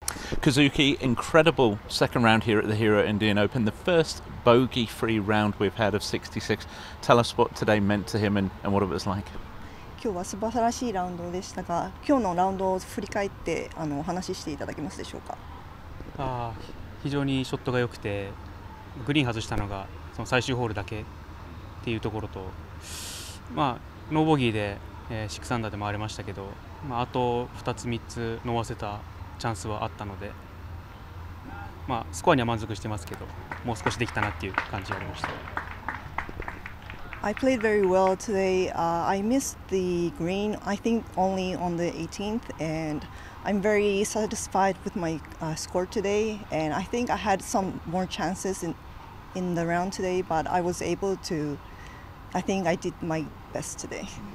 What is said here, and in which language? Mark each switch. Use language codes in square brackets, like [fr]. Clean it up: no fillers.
[en] Kazuki, incredible second round here at the Hero Indian Open, the first bogey-free round we've had of 66. Tell us what today meant to him and what it was like. [ja] 今日は素晴らしいラウンドでしたが、今日のラウンドを振り返ってお話ししていただけますでしょうか。ああ、非常にショットが良くて、グリーン外したのがその最終ホールだけっていうところと、まあノーボギーで6アンダーで回れましたけど、まああと2つ3つ伸ばせたチャンスはあったので、まあスコアには満足してますけど、もう少しできたなっていう感じがありました。 [en] I played very well today. I missed the green, I think only on the 18th, and I'm very satisfied with my score today. And I think I had some more chances in the round today, but I was able to, I think I did my best today.